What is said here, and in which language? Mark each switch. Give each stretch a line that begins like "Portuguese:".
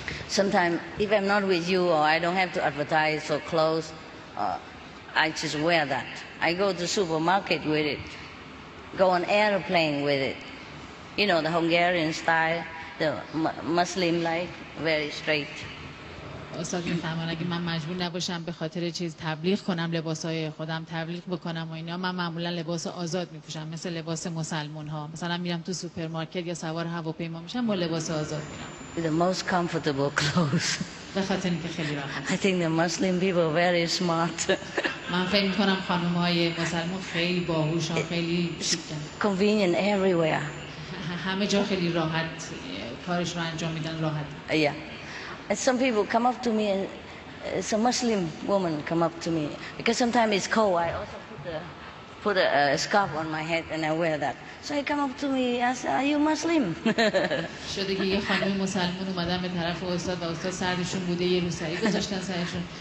English: Sometimes, if I'm not with you or I don't have to advertise for clothes, I just wear that. I go to supermarket with it, go on airplane with it. You know, the Hungarian style, the Muslim-like, very straight.
Persian: استاد میفهمن اگه من مجبور نباشم به خاطر چیز تبلیغ کنم لباسای خودم تبلیغ بکنم و اینا من معمولا لباس آزاد میپوشم مثل لباس مسلمان ها مثلا میرم تو سوپرمارکت یا سوار هواپیما میشم با لباس آزاد میرم
English: the most comfortable clothes
Persian: به خاطر اینکه خیلی راحت
English: I think the Muslim people are very smart
Persian: من فکر می کنم خانم های مسلمان خیلی باهوش هم خیلی شیکن
English: convenient everywhere
Persian: همه جا خیلی راحت کارش رو انجام میدن راحت
English: yeah. And some people come up to me, and some Muslim woman come up to me. Because sometimes it's cold, I also put a scarf on my head and I wear that. So he come up to me and ask, are you Muslim?
Persian: شده که یه خانم مسلمان اومدن به طرف استاد و استاد سردشون بوده یه روسری گذاشتن سرشون.